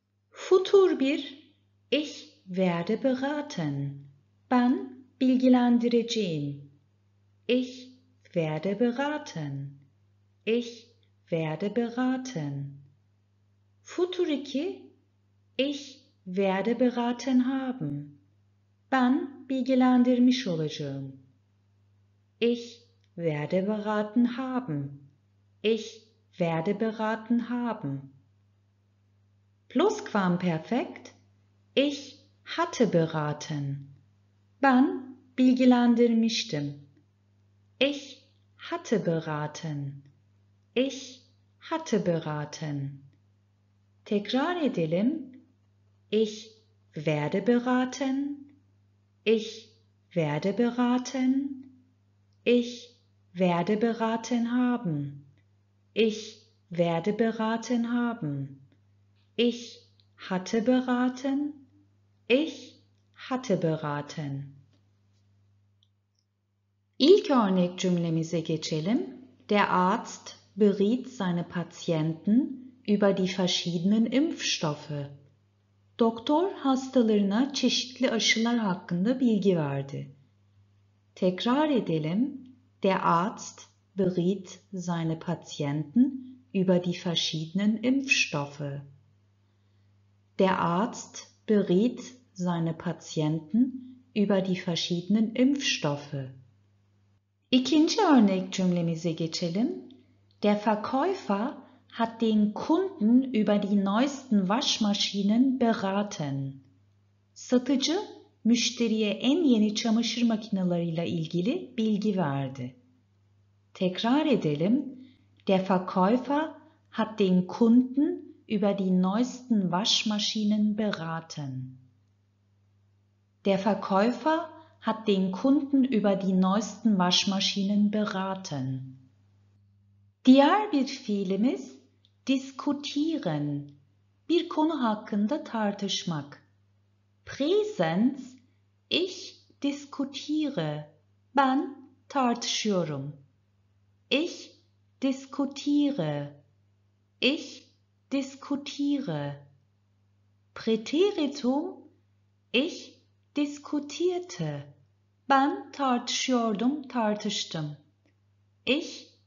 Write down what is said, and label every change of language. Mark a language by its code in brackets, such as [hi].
[de] Futur bir, ich werde beraten. [tr] Ben bilgilendireceğim. [de] Ich werde beraten. Ich werde beraten. Futur iki, ich werde beraten haben. [tr] Ben bilgilendirmiş olacağım. [de] Ich werde beraten haben. Ich werde beraten haben. Plusquamperfekt, ich hatte beraten. [tr] Ben bilgilendirmiştim. [de] Ich hatte beraten. Ich hatte beraten. [tr] Tekrar edelim. [de] Ich werde beraten. Ich werde beraten. Ich werde beraten haben. Ich werde beraten haben. Ich hatte beraten. Ich hatte beraten. [tr] İlk örnek cümlemize geçelim. [de] Der Arzt beriet seine Patienten über die verschiedenen Impfstoffe. [tr] Doktor hastalarına çeşitli aşılar hakkında bilgi verdi. Tekrar edelim. [de] Der Arzt beriet seine Patienten über die verschiedenen Impfstoffe. Der Arzt beriet seine Patienten über die verschiedenen Impfstoffe. [tr] İkinci örnek cümlemize geçelim. [de] Der Verkäufer hat den Kunden über die neuesten Waschmaschinen beraten. [tr] Satıcı, müşteriye en yeni çamaşır makineleriyle ilgili bilgi verdi. Tekrar edelim. [de] Der Verkäufer hat den Kunden über die neuesten Waschmaschinen beraten. Der Verkäufer hat den Kunden über die neuesten Waschmaschinen beraten. [tr] Diğer bir fiilimiz diskutieren. Bir konu hakkında tartışmak. [de] Präsens, ich diskutiere. [tr] Ben tartışıyorum. [de] Ich diskutiere. Ich diskutiere. Präteritum, ich diskutierte. [tr] Ben tartışıyordum, tartıştım. [de] Ich